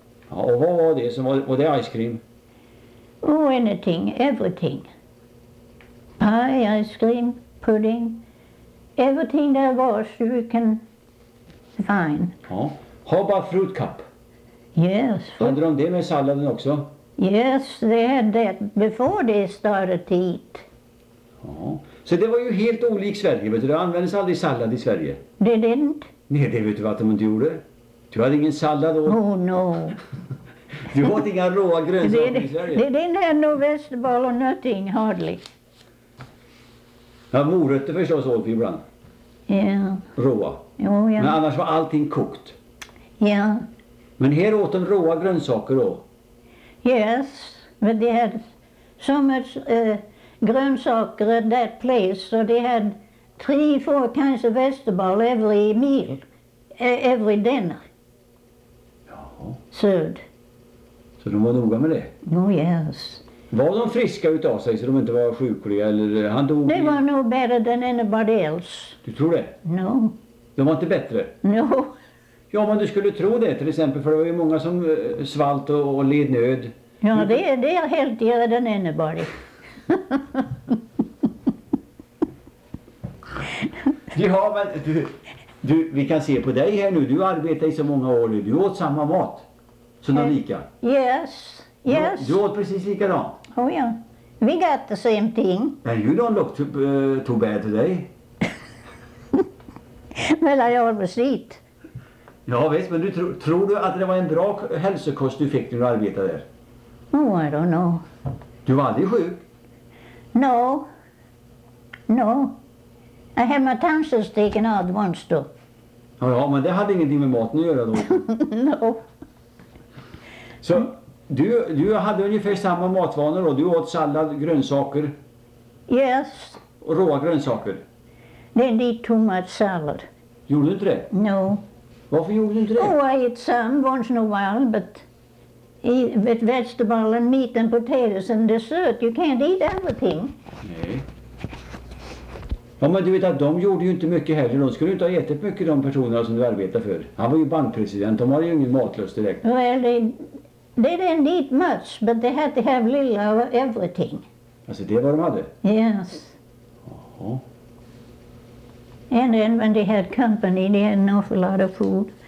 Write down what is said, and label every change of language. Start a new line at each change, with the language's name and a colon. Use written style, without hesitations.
Swedish: Ja, och vad var det som var det ice cream?
English: Oh, anything, everything. Pie, ice cream, pudding. Everything there was you can find. Ja, Hobba fruit cup. Yes.
Swedish: Hade de det med salladen också?
English: Yes, they had that before they started to eat.
Swedish: Ja. Så det var ju helt olik Sverige, vet du. Det användes aldrig sallad i Sverige.
English: They didn't.
Swedish: Nej, det vet du vad de inte gjorde. Du hade ingen sallad då?
English: Oh no.
Swedish: Du åt inga råa grönsaker i Sverige?
English: They didn't have no vegetable or nothing, hardly.
Swedish: Ja, morötter förstås åt vi ibland. Ja. Yeah. Råa.
English: Oh, yeah.
Swedish: Men annars var allting kokt. Ja. Yeah. Men här åt de råa grönsaker då?
English: Yes, but they had so much grönsaker at that place, so they had 3-4 kinds of vegetable every meal, every dinner.
Swedish: Jaha.
English: Served.
Swedish: Så de var noga med det?
English: Oh yes.
Swedish: Var de friska utav sig så de inte var sjukliga eller han dog?
English: They were no better than anybody else.
Swedish: Du tror det?
English: No.
Swedish: De var inte bättre?
English: No.
Swedish: Ja, men du skulle tro det till exempel, för det var ju många som svalt och led nöd. Ja, det är helt gärna den ene bara. Ja, men du, vi kan se på dig här nu. Du arbetar i så många år nu. Du åt samma mat som de lika.
English: Yes, yes.
Swedish: Du åt precis likadant.
English: Oh ja, yeah. We got the same thing. And you don't look too bad today. Well, I always eat.
Swedish: Ja visst, men du tror du att det var en bra hälsokost du fick när du arbetade där?
English: Oh, I don't know.
Swedish: Du var aldrig sjuk?
English: No. No. I had my tonsils taken out once though.
Swedish: Ja, men det hade ingenting med maten att göra då.
English: No.
Swedish: Så du hade ungefär samma matvanor då? Du åt sallad, grönsaker?
English: Yes.
Swedish: Råa grönsaker?
English: They didn't eat too much salad.
Swedish: Gjorde du inte det?
English: No.
Swedish: Varför gjorde du inte det?
English: Oh, I ate some once in a while, but with vegetable and meat and potatoes and dessert, you can't eat everything.
Swedish: Nej. Ja, men du vet att de gjorde ju inte mycket heller. De skulle inte ha ätit mycket, de personerna som du arbetar för. Han var ju bankpresident, de hade ju ingen matlust direkt.
English: Well, they didn't eat much, but they had to have little of everything.
Swedish: Alltså, det var de hade?
English: Yes.
Swedish: Jaha.
English: And then when they had company, they had an awful lot of food.